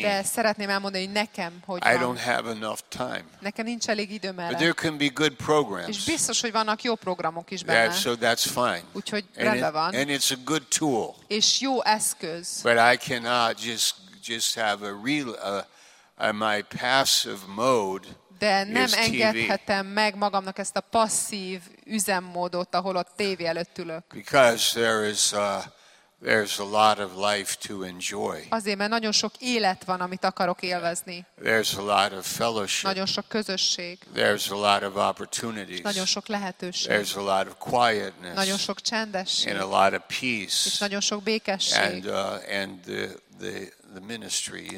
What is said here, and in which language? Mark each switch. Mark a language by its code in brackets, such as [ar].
[hu] De szeretném elmondani nekem, hogy [en] I don't have enough time. [hu] Nekem nincs elég időm erre. [en] But there can be good programs. [hu] És biztos, hogy vannak jó programok is benne. [en] So that's fine. [hu] Úgyhogy rendben van. [en] And it's a good tool. [hu] És jó eszköz. [en] But I cannot just have a real my passive mode. [hu] De nem engedhetem meg magamnak ezt a passzív üzemmódot, ahol a tévé előtt ülök. [en] Because there's a lot of life to enjoy. [hu] Azért, mert nagyon sok élet van, amit akarok élvezni. [en] There's a lot of fellowship. [hu] Nagyon sok közösség. [en] There's a lot of opportunities. [hu] Nagyon sok lehetőség. [en] There's a lot of quietness. [hu] Nagyon sok csendesség. [en] And a lot of peace. [hu] És nagyon sok békesség. [en] And the ministry, you